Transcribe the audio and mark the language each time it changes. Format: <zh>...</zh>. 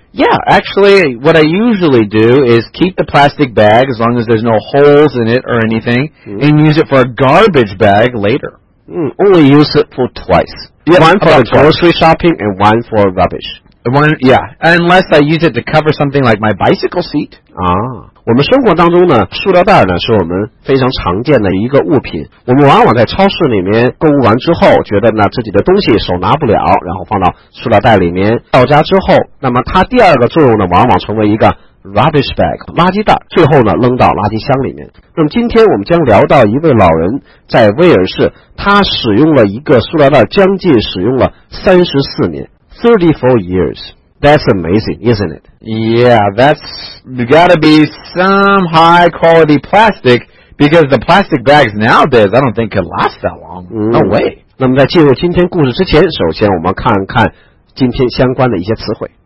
<en>Yeah, actually, what I usually do is keep the plastic bag as long as there's no holes in it or anything, and use it for a garbage bag later. Only use it for twice. Yep, one for grocery shopping and one for rubbish. Unless I use it to cover something like my bicycle seat.</en> <zh>我们生活当中呢，塑料袋呢是我们非常常见的一个物品。我们往往在超市里面购物完之后，觉得呢自己的东西手拿不了，然后放到塑料袋里面。到家之后，那么它第二个作用呢，往往成为一个rubbish bag 垃圾袋，最后呢扔到垃圾箱里面。那么今天我们将聊到一位老人，在威尔士，他使用了一个塑料袋将近使用了34年。</zh> <en>34 years. That's amazing, isn't it? Yeah, that's gotta be some high quality plastic, because the plastic bags nowadays I don't think can last that long. No way.</en> <zh>那么在进入今天故事之前，首先我们看看今天相关的一些词汇。</zh>